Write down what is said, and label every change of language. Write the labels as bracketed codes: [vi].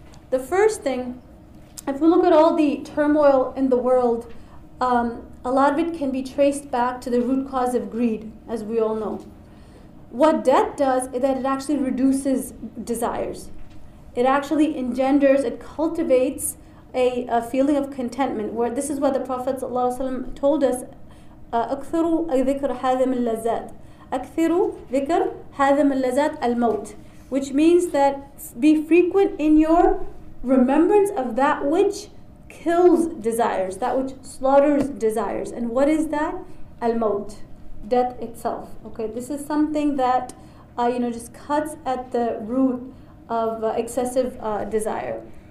[en] The first thing, if we look at all the turmoil in the world, a lot of it can be traced back to the root cause of greed, as we all know. What death does is that it actually reduces desires. It actually engenders, it cultivates a feeling of contentment. Where this is what the Prophet ﷺ told us, [ar] أكثروا ذكر هذا من لذات. أكثروا ذكر هذا من لذات الموت. [en] Which means that be frequent in your remembrance of that which kills desires, that which slaughters desires. And what is that? الموت, death itself. Okay, this is something that you know, just cuts at the root of excessive desire.